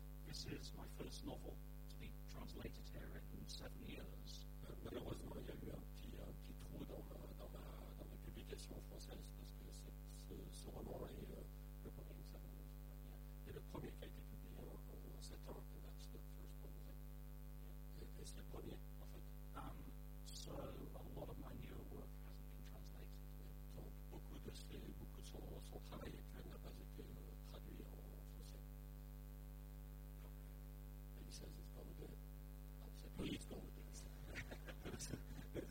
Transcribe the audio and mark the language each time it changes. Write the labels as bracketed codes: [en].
[en] It's my first novel to be translated here in 7 years. [fr] Malheureusement, il y a eu un petit trou dans ma publication française parce que ce roman est le premier en 7 ans. Et le premier qui a été publié en 7 ans, [en] and that's the first one. [fr] Et c'est le premier, en fait. [en] So a lot of my newer work hasn't been translated. [fr] Donc beaucoup de son travail actuel n'a pas été traduit en français. [en] Says it's going to do it. I said, please, it's going to do it.